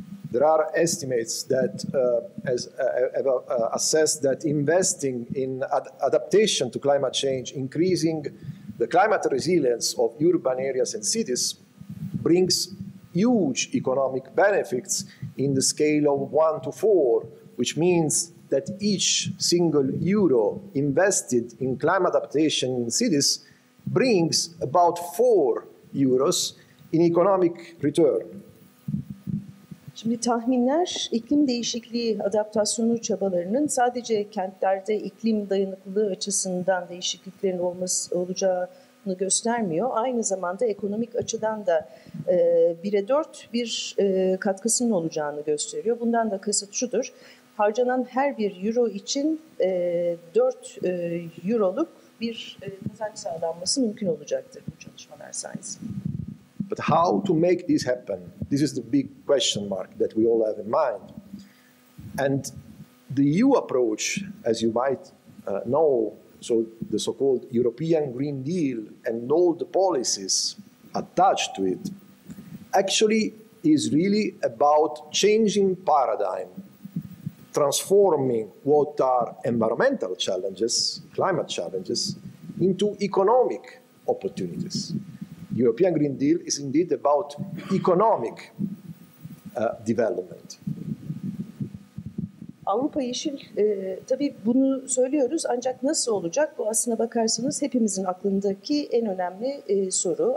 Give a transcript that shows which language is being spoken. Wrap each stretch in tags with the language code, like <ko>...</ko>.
<en>there are estimates that assess that investing in adaptation to climate change, increasing the climate resilience of urban areas and cities, brings huge economic benefits in the scale of 1 to 4, which means that each single euro invested in climate adaptation in cities brings about 4 euros in economic return.</en> <tr>Şimdi tahminler iklim değişikliği adaptasyonu çabalarının sadece kentlerde iklim dayanıklılığı açısından değişikliklerin olacağını göstermiyor. Aynı zamanda ekonomik açıdan da 1'e 4 bir katkısının olacağını gösteriyor. Bundan da kasıt şudur. Harcanan her bir euro için 4 euroluk bir kazanç sağlanması mümkün olacaktır bu çalışmalar sayesinde.</tr> <en>But how to make this happen? This is the big question mark that we all have in mind. And the EU approach, as you might know, so the so-called European Green Deal and all the policies attached to it, actually is really about changing paradigm, transforming what are environmental challenges, climate challenges, into economic opportunities. European Green Deal is indeed about economic development.</en> <tr>Avrupa yeşil, tabii bunu söylüyoruz ancak nasıl olacak? Bu aslına bakarsanız hepimizin aklındaki en önemli soru.</tr>